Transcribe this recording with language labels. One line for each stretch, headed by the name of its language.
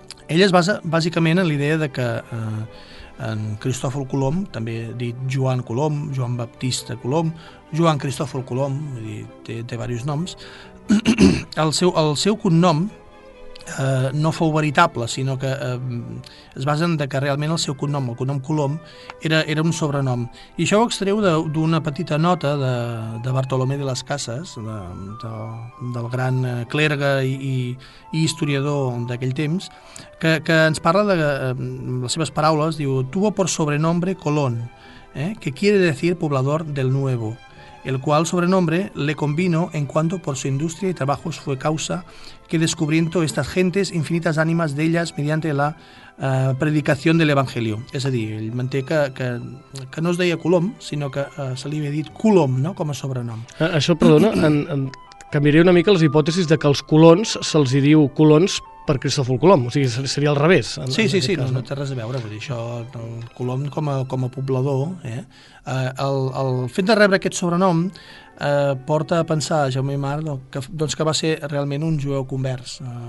Catalan: Ell es basa bàsicament en la idea de que en Cristòfor Colom, també dit Joan Colom, Joan Baptista Colom, Joan Cristòfor Colom, vull dir, té diversos noms, el seu cognom no fou veritable, sinó que es basen de que realment el cognom Colom era un sobrenom. I això ho extreu d'una petita nota de Bartolomé de las Casas, del gran clergue i historiador d'aquell temps, que ens parla de les seves paraules, diu:
Spanish: "Tuvo por sobrenombre Colón, que quiere decir poblador del nuevo, el cual sobrenombre le convino en cuanto por su industria y trabajos fue causa que descubriendo estas gentes infinitas ánimas de ellas mediante la predicación del Evangelio".
Catalan: És a dir, ell manté que no es deia Colom, sinó que se li havia dit Colom, no?, com a sobrenom. Això, perdona, canviaria una mica les hipòtesis de que els colons se'ls diu colons per Cristòfor Colom, o sigui, seria al revés. Sí, no té res a veure, vull dir, això, el Colom com a poblador, el fet de rebre aquest sobrenom porta a pensar a Jaume Aymar que va ser realment un jueu convers.